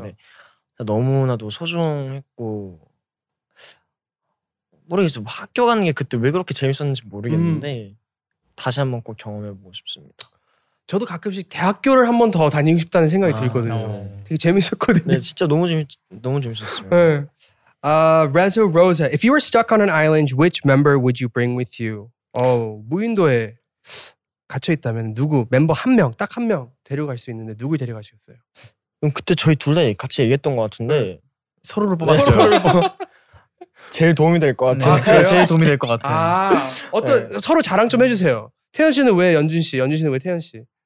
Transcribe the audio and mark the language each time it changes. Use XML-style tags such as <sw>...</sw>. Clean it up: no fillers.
<ko>근데 너무나도 소중했고 모르겠어요. 학교 가는 게 그때 왜 그렇게 재밌었는지 모르겠는데 다시 한번 꼭 경험해보고 싶습니다. 저도 가끔씩 대학교를 한 번 더 다니고 싶다는 생각이 들거든요. 되게 재밌었거든요. 네, 진짜 너무 재밌었어요. 네.</ko> <en>Rezo Rosa, if you were stuck on an island, which member would you bring with you?</en> <ko>무인도에 갇혀 있다면 누구 멤버 한 명, 딱 한 명 데려갈 수 있는데 누구 데려가시겠어요? 그럼 그때 저희 둘 다 같이 얘기했던 것 같은데 서로를 뽑았어요. 제일 도움이 될 것 같아요. 아, 제일 도움이 될 것 같아요. 아, 어떤 네. 서로 자랑 좀 해주세요. 태현 씨는 왜 연준 씨? 연준 씨는 왜 태현 씨?</ko>